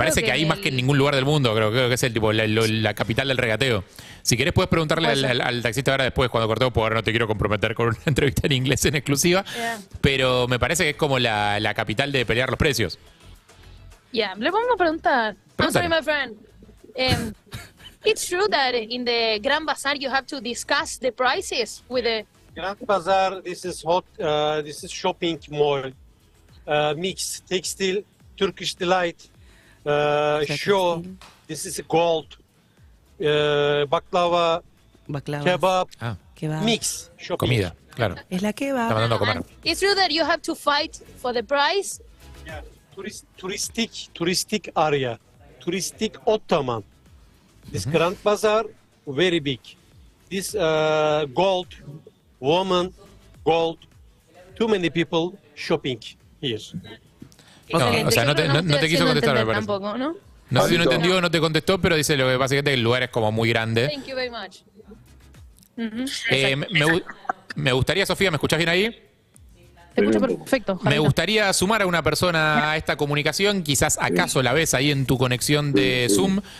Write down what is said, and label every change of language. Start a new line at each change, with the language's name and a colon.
Spanish: Me parece que ahí más que en ningún lugar del mundo, creo que es la capital del regateo. Si querés, puedes preguntarle al taxista ahora después, cuando cortemos, porque ahora no te quiero comprometer con una entrevista en inglés en exclusiva. Yeah. Pero me parece que es como la capital de pelear los precios. Ya, yeah, le vamos a preguntar. Pregúntale.
English: I'm sorry, my friend. It's true that in the Grand Bazaar you have to discuss the prices with the. Grand Bazaar, this is hot. This is shopping mall. Mix, textile. Turkish Delight, show, this is gold, baklava. Kebab. Kebab, mix, shopping.
Spanish: Comida, claro. Es la kebab. Está mandando a comer.
English: It's true that you have to fight for the price? Yeah, touristic area, touristic Ottoman. This Grand Bazaar, very big. This gold, woman, gold, too many people shopping here.
Spanish: No te quiso contestar, me parece. Tampoco, ¿no? No sé si no entendió o no te contestó, pero dice lo que pasa es que el lugar es como muy grande.
English: Thank you very much. Uh-huh.
Spanish: Me gustaría, Sofía, ¿me escuchás bien ahí? Te escucho perfecto. Me gustaría sumar a una persona a esta comunicación, quizás acaso la ves ahí en tu conexión de Zoom.